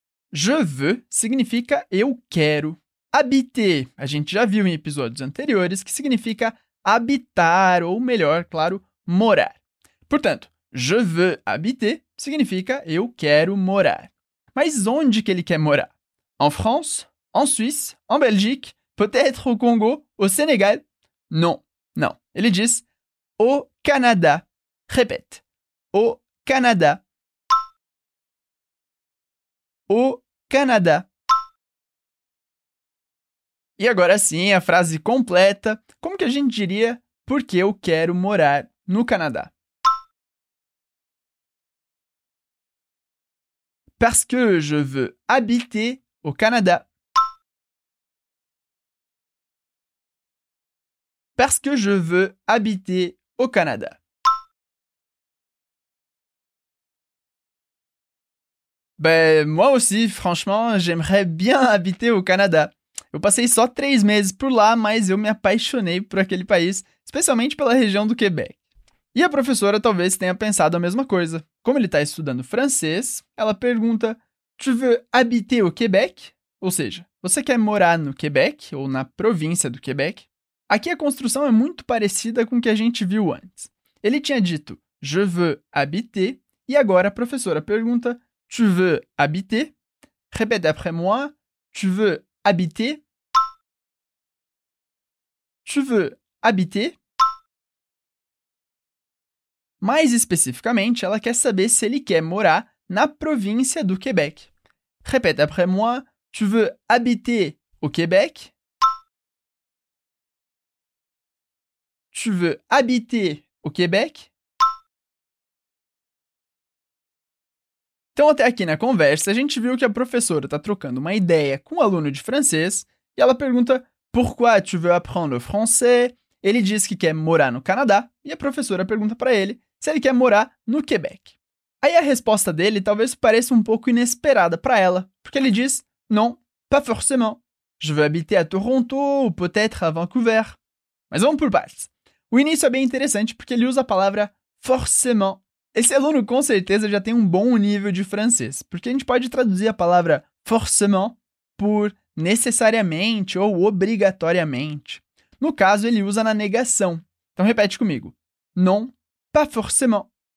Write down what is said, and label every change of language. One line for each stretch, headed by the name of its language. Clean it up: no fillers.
French: Je veux
Portuguese: significa eu quero. Habiter, a gente já viu em episódios anteriores, que significa habitar, ou melhor, claro, morar. Portanto,
French: je veux habiter
Portuguese: significa eu quero morar. Mas onde que ele quer morar?
French: En France, en Suisse, en Belgique, peut-être au Congo, au Sénégal? Non, non.
Portuguese: Ele diz
French: au Canada. Répète. Au Canada. Au Canada.
Portuguese: E agora sim, a frase completa. Como que a gente diria porque eu quero morar no Canadá?
French: Parce que je veux habiter au Canada. Parce que je veux habiter au Canada. Ben, moi aussi, franchement, j'aimerais bien habiter au Canada.
Portuguese: Eu passei só 3 meses por lá, mas eu me apaixonei por aquele país, especialmente pela região do Quebec. E a professora talvez tenha pensado a mesma coisa. Como ele está estudando francês, ela pergunta,
French: tu veux habiter au Québec?
Portuguese: Ou seja, você quer morar no Quebec, ou na província do Quebec? Aqui a construção é muito parecida com o que a gente viu antes. Ele tinha dito,
French: je veux habiter,
Portuguese: e agora a professora pergunta,
French: tu veux habiter? Répète après moi, tu veux habiter? Tu veux habiter?
Portuguese: Mais especificamente, ela quer saber se ele quer morar na província do Quebec.
French: Répète après moi, tu veux habiter au Québec? Tu veux habiter au Québec?
Portuguese: Então, até aqui na conversa, a gente viu que a professora está trocando uma ideia com um aluno de francês e ela pergunta,
French: pourquoi tu veux apprendre français?
Portuguese: Ele diz que quer morar no Canadá e a professora pergunta para ele se ele quer morar no Quebec. Aí a resposta dele talvez pareça um pouco inesperada para ela, porque ele diz,
French: non, pas forcément. Je veux habiter à Toronto ou peut-être à Vancouver.
Portuguese: Mas vamos por partes. O início é bem interessante porque ele usa a palavra forcément. Esse aluno com certeza já tem um bom nível de francês, porque a gente pode traduzir a palavra forcément por necessariamente ou obrigatoriamente. No caso, ele usa na negação. Então, repete comigo.
French: Non, pas forcément.